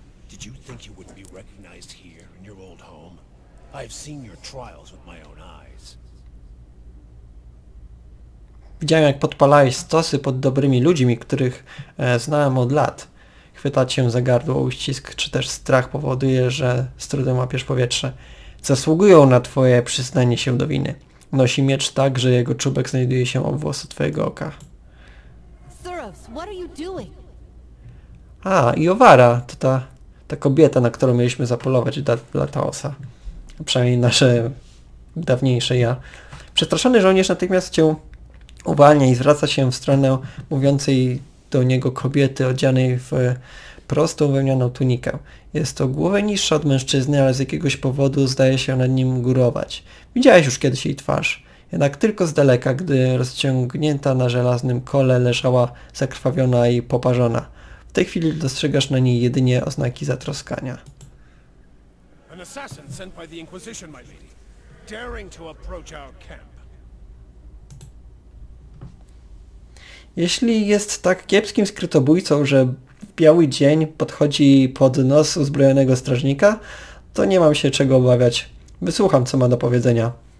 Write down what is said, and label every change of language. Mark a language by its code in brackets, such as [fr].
[en] Did you think you would be recognized here in your old home? I've seen your trials with my own eyes. [pl] Widziałem, jak podpalałeś stosy pod dobrymi ludźmi, których znałem od lat. Chwytać się za gardło, uścisk czy też strach powoduje, że z trudem łapiesz powietrze. Zasługują na twoje przyznanie się do winy. Nosi miecz tak, że jego czubek znajduje się obok włosu twojego oka. [en] Suros, what are you doing? [pl] A, Iovara, to ta kobieta, na którą mieliśmy zapolować dla Taosa. Przynajmniej nasze dawniejsze ja. Przestraszony żołnierz natychmiast cię uwalnia i zwraca się w stronę mówiącej do niego kobiety odzianej w prostą wełnianą tunikę. Jest to głowę niższa od mężczyzny, ale z jakiegoś powodu zdaje się nad nim górować. Widziałeś już kiedyś jej twarz. Jednak tylko z daleka, gdy rozciągnięta na żelaznym kole leżała zakrwawiona i poparzona. W tej chwili dostrzegasz na niej jedynie oznaki zatroskania. [en] An assassin sent by the Inquisition, my lady. Daring to approach our camp. [pl] Jeśli jest tak kiepskim skrytobójcą, że w biały dzień podchodzi pod nos uzbrojonego strażnika, to nie mam się czego obawiać. Wysłucham, co ma do powiedzenia.